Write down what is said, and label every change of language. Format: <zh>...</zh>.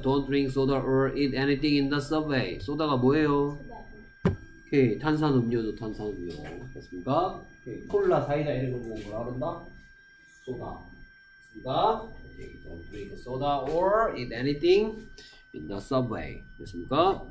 <en>Don't drink soda or eat anything in the subway.</en> <ko>소다가 뭐예요? 오케이, 탄산 음료도 탄산 음료 됐습니까? 오케이, 콜라, 사이다 이런 거 뭐라 그런다? 소다 됐습니까?</ko> <en>오케이, don't drink soda or eat anything in the subway</en> <ko>됐습니까?</ko>